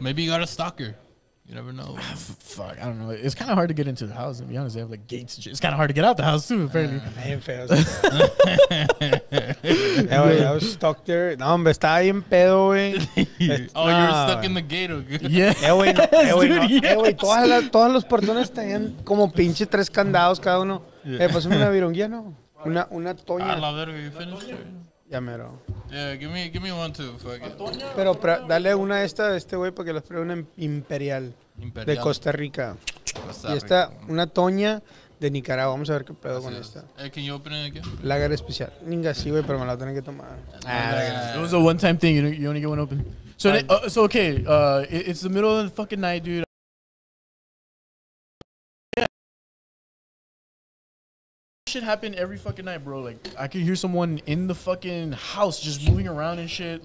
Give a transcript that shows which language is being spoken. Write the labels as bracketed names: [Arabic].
[English] Maybe you got a stalker. You never know. Fuck, I don't know. It's kind of hard to get into the house. To be honest, they have like gates and shit. It's kind of hard to get out the house too, apparently. I was stuck there. [Spanish] No, hombre, estaba bien pedo, güey. [English] Oh, nah. You were stuck in the gate, okay? Yes, dude, yes. [Spanish] Güey, todas los portones tenían como pinche tres candados cada uno. [English] Yeah. [Spanish] Pásame una virunguía, ¿no? Una toña. A la verga, [English] you finished? [Spanish] Ya mero. [English] Yeah, give me one too. Fuck it. [Spanish] Pero dale una esta a este güey para que las pruebe, una imperial. Imperial. De Costa Rica. Y esta, una toña de Nicaragua. Vamos a ver qué pedo así con es. Esta. [English] Can you open it again? [Spanish] Lager especial. Ninga sí, güey, pero me la tengo que tomar. [English] It was a one time thing. You only get one open. It's the middle of the fucking night, dude. Shit happen every fucking night, bro. Like, I could hear someone in the fucking house just moving around and shit.